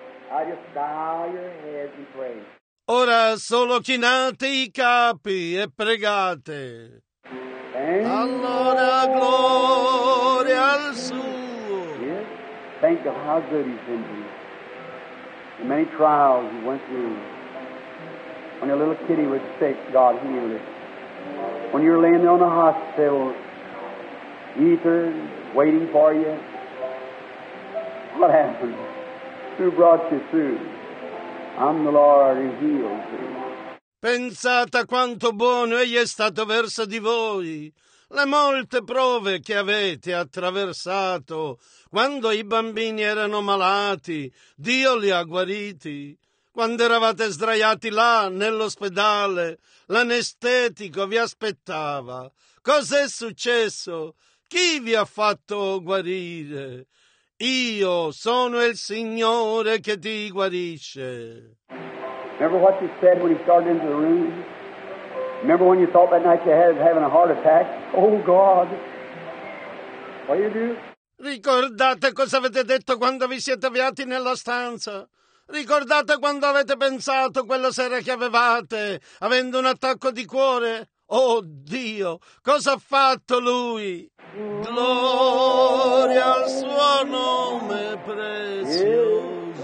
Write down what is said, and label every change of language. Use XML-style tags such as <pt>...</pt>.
<en>I just bow your heads and pray.</en> <it>Ora solo chinate i capi e pregate.</it> <en>Thank</en> <it>allora gloria al suo.</it> <en>Yes. Thank God how good he's been to you. The many trials he went through. When your little kitty was sick, God healed it. When you were laying there on the hospital, ether waiting for you. What happened? Who brought you through? I'm the Lord who heals you.</en> <it>Pensate quanto buono egli è stato verso di voi. Le molte prove che avete attraversato. Quando i bambini erano malati, Dio li ha guariti. Quando eravate sdraiati là, nell'ospedale, l'anestetico vi aspettava. Cos'è successo? Chi vi ha fatto guarire? Io sono il Signore che ti guarisce.</it> <en>Remember what you said when he started into the room? Remember when you thought that night you had having a heart attack? Oh God! What do you do?</en> <it>Ricordate cosa avete detto quando vi siete avviati nella stanza? Ricordate quando avete pensato quella sera che avevate, avendo un attacco di cuore? Oh Dio, cosa ha fatto lui? Gloria al suo nome prezioso.</it>